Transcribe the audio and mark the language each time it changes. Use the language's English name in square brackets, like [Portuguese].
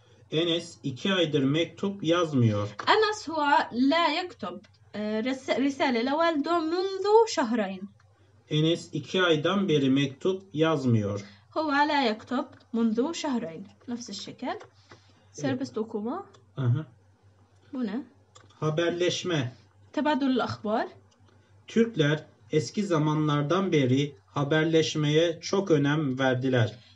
[Turkish] Enes 2 aydır mektup yazmıyor. [Arabic] Anas هو لا يكتب رسالة لوالده منذ شهرين. [Turkish] Enes 2 aydan beri mektup yazmıyor. [Arabic] هو لا يكتب منذ شهرين. نفس الشكل. [Turkish] Serbest okuma. Bu ne? Haberleşme. [Arabic] تبادل الأخبار. [Turkish] Türkler eski zamanlardan beri haberleşmeye çok önem verdiler.